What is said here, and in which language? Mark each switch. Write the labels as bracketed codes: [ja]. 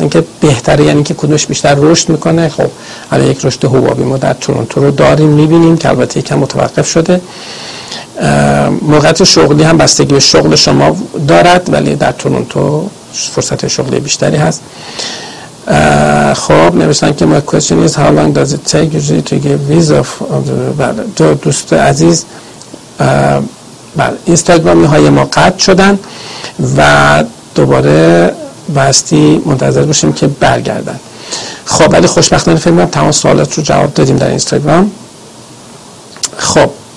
[fa] اینکه بهتره یعنی که کدومش بیشتر رشد میکنه؟ خب الان یک رشد حبابی ما در تورنتو رو داریم میبینیم که البته یکم متوقف شده. موقعیت شغلی هم بستگی به شغل شما دارد، ولی در تورنتو فرصت شغلی بیشتری هست. خب نوشتن که [en] my question is how long does it take usually to get visa for... [fa] تو دوست عزیز اینستاگرامی های ما قطع شدن و دوباره بستی منتظر باشیم که برگردن. خب ولی خوشبختانه فکر کنم تمام سوالات رو جواب دادیم در اینستاگرام. خب